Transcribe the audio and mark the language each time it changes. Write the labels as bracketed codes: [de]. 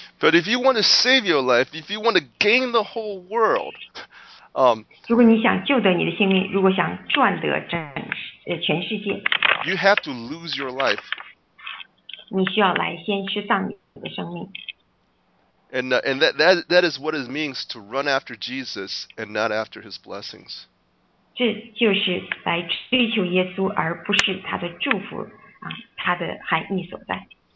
[en] But if you want to save your life, if you want to gain the whole world, [zh] 如果你想救得你的性命，如果想赚得全世界 [en] ，You have to lose your life. [zh] 你需要来先失丧。 [en] And that is what it means to run after Jesus and not after His blessings. [zh] 这就是来追求耶稣，而不是他的祝福他的含义所在。